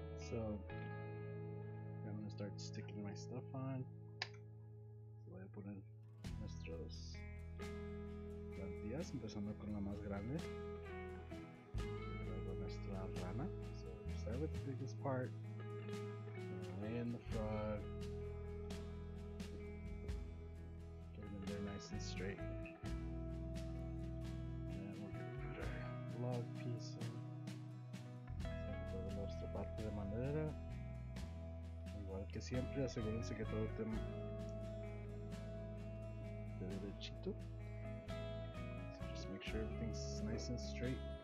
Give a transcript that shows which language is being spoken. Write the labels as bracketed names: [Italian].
[English] So I'm gonna start sticking my stuff on. [Spanish] So voy a poner nuestros plantillas, empezando con la más grande. Luego nuestra rana. [English] So start with the biggest part. Lay in the frog. Get them there nice and straight. And then we're gonna put our log piece in. [Spanish] Nuestra parte de madera, igual que siempre, asegúrense que todo esté de derechito. [English] So just make sure everything's nice and straight.